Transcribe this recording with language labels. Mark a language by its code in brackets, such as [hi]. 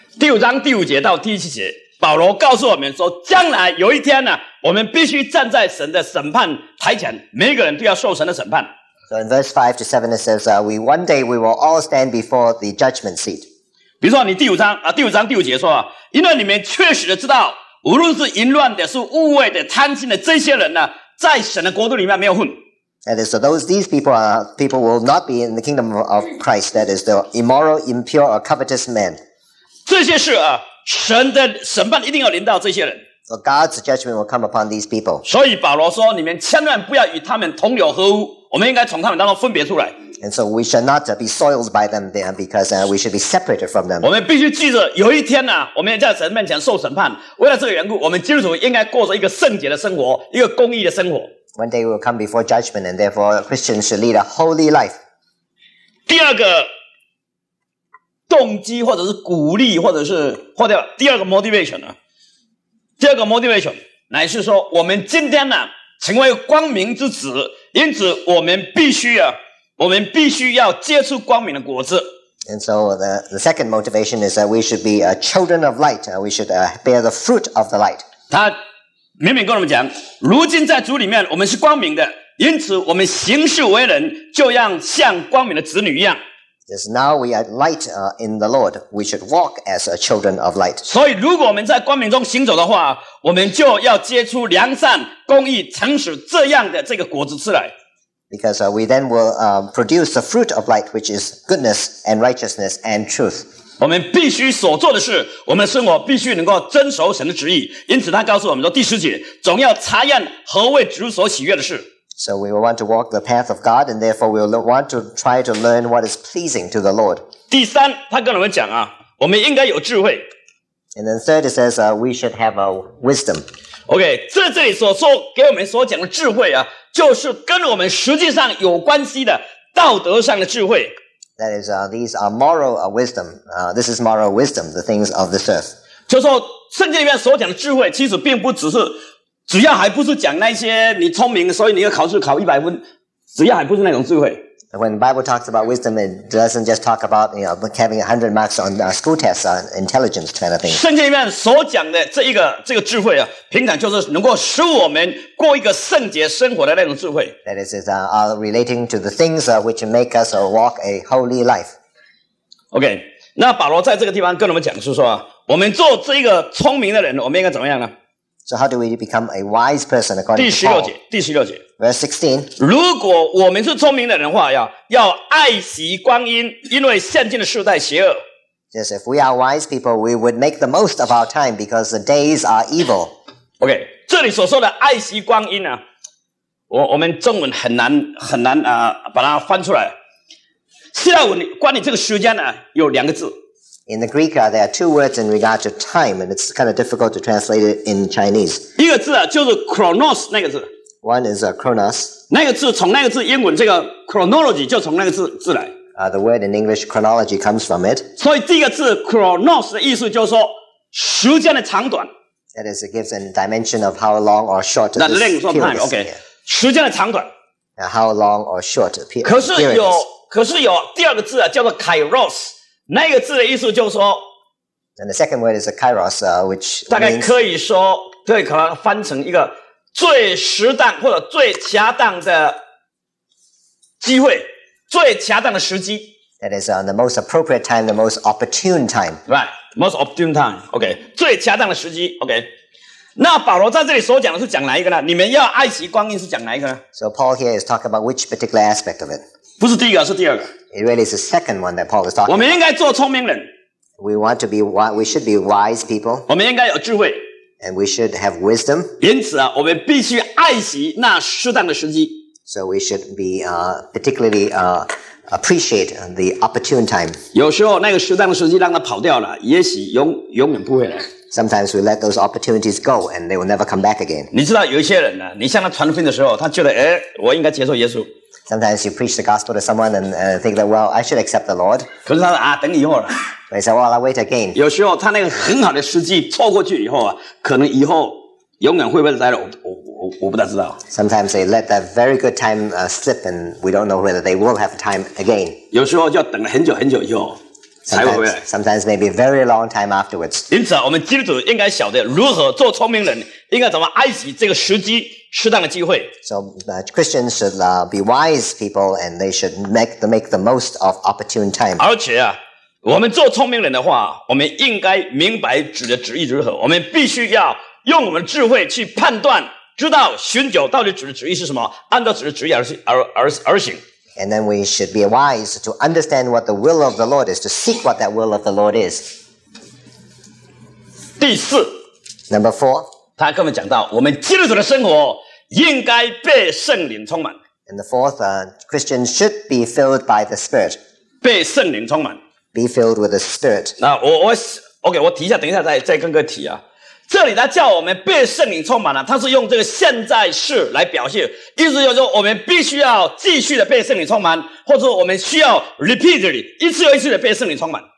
[zh] 第五章第五节到第七节，保罗告诉我们说，将来有一天呢，我们必须站在神的审判台前，每一个人都要受神的审判。 [en] So in verse 5 to 7 it says, we one day we will all stand before the judgment seat. [zh] 比如说你第五章第五节说，因为你们确实的知道，无论是淫乱的、是污秽的、贪心的这些人呢，在神的国度里面没有份。 [en] That is, so these people will not be in the kingdom of Christ. That is, the immoral, impure, or covetous men. [zh] 这些事啊，神的审判一定要临到这些人。 [en] So God's judgment will come upon these people. [zh] 所以保罗说，你们千万不要与他们同流合污，我们应该从他们当中分别出来。 [en] And so we shall not be soiled by them because we should be separated from them. [zh] 我们必须记着，有一天呢，我们要在神面前受审判。为了这个缘故，我们基督徒应该过着一个圣洁的生活，一个公义的生活。 [en] One day we will come before judgment, and therefore Christians should lead a holy life. [zh] 第二个。动机或者是鼓励或者是或者第二个 motivation 呢、啊？第二个 motivation 乃是说我们今天呢、啊、成为光明之子，因此我们必须要接触光明的果子。 [en] And so the second motivation is that we should be a children of light. We should bear the fruit of the light. [zh] 他明明跟我们讲，如今在主里面我们是光明的，因此我们行事为人就要像光明的子女一样。 [en] Is now we are light in the Lord. We should walk as a children of light. [zh] 所以，如果我们在光明中行走的话，我们就要结出良善、公义、诚实这样的这个果子出来。 [en] Because we then will produce the fruit of light, which is goodness and righteousness and truth. [zh] 我们必须所做的事，我们的生活必须能够遵守神的旨意。因此，他告诉我们说，第十节，总要查验何为主所喜悦的事。 [en] So we will want to walk the path of God, and therefore we will want to try to learn what is pleasing to the Lord. [zh] 第三，他跟我们讲啊，我们应该有智慧。 [en] And then third, it says, we should have a wisdom. [zh] Okay, 这里所说给我们所讲的智慧啊，就是跟我们实际上有关系的道德上的智慧。 [en] That is, these are moral wisdom. This is moral wisdom, the things of this earth. [zh] 就说圣经里面所讲的智慧，其实并不只是。主要还不是讲那些你聪明，所以你要考试考一百分。主要还不是那种智慧。 [en] When the Bible talks about wisdom, it doesn't just talk about having 100 marks on school tests on intelligence kind of thing. [zh] 圣经里面所讲的这个智慧啊，平常就是能够使我们过一个圣洁生活的那种智慧。 [en] That is, it's relating to the things which make us walk a holy life. [zh] Okay, 那保罗在这个地方跟我们讲是说，我们做这个聪明的人，我们应该怎么样呢？ [en] So how do we become a wise person according to Paul? [zh] 第十六节。 [en] Verse 16. [zh] 如果我们是聪明的人的话，要爱惜光阴，因为现今的世代邪恶。 [en] Yes, if we are wise people, we would make the most of our time because the days are evil. [zh] Okay, 这里所说的爱惜光阴啊，我们中文很难把它翻出来。希腊文关于这个时间呢，有两个字。 [en] In the Greek, there are two words in regard to time, and it's kind of difficult to translate it in Chinese. [zh] 一个字啊，就是 chronos 那个字。 [en] One is chronos. [zh] 那个字从那个字英文这个 chronology 就从那个字来。 [en] The word in English chronology comes from it. [zh] 所以第一个字 chronos 的意思就是说时间的长短。 [en] That is, it gives a dimension of how long or short this period is. [zh] Okay. 时间的长短。 [en] Now, how long or short a period [zh] 可是有第二个字、啊、叫做 kairos, 那个字的意思就是说 [en] And the second word is a kairos, which [zh] 大概可以说对可能翻成一个最适当或者最恰当的机会最恰当的时机。 [en] That is, the most appropriate time, the most opportune time. Right. Most opportune time, OK, [zh] 最恰当的时机 [en] ，OK。 [zh] 那保罗在这里所讲的是讲哪一个呢？你们要爱惜光阴是讲哪一个呢 [en] ？So Paul here is talking about which particular aspect of it? [zh] 不是第一个，是第二个。 [en] It really is the second one that Paul is talking. [zh] 我们应该做聪明人。 [en] We want to be we should be wise people. [zh] 我们应该有智慧。 [en] And we should have wisdom. [zh] 因此啊，我们必须爱惜那适当的时机。 [en] So we should be particularly appreciate the opportune time. [zh] 有时候那个适当的时机让它跑掉了，也许永远不会来。 [en] Sometimes we let those opportunities go and they will never come back again. [zh] 你知道有一些人呢、啊，你向他传福音的时候，他觉得，哎，我应该接受耶稣。 [en] Sometimes you preach the gospel to someone and think that, well, I should accept the Lord. [zh] 可是他说啊，等以后了。 [en] But he said, well, I'll wait again. [zh] 有时候他那个很好的时机错过去以后啊，可能以后永远会不会来了？我不大知道。 [en] Sometimes they let that very good time slip, and we don't know whether they will have time again. [zh] 有时候就要等了很久很久以后 才会回来。 [en] Sometimes maybe a very long time afterwards. [zh] 因此、啊，我们基督徒应该晓得如何做聪明人，应该怎么爱惜这个时机、适当的机会。 [en] So Christians should be wise people, and they should make the most of opportune time. [zh] 而且啊，我们做聪明人的话，我们应该明白主的旨意如何，我们必须要用我们的智慧去判断。知道寻求到底主的旨意是什么，按照主的旨意而行。 [en] And then we should be wise to understand what the will of the Lord is, to seek what that will of the Lord is. [zh] 第四 [en] ，Number four， [zh] 他跟我们讲到，我们基督徒的生活应该被圣灵充满。 [en] And the fourth, Christians should be filled by the Spirit. [zh] 被圣灵充满。 [en] Be filled with the Spirit. [zh] 那我 OK， 我提一下，等一下再跟各位提啊。这里他叫我们被圣灵充满了，他是用这个现在式来表现，意思就是说我们必须要继续的被圣灵充满，或者说我们需要 repeatedly 一次又一次的被圣灵充满。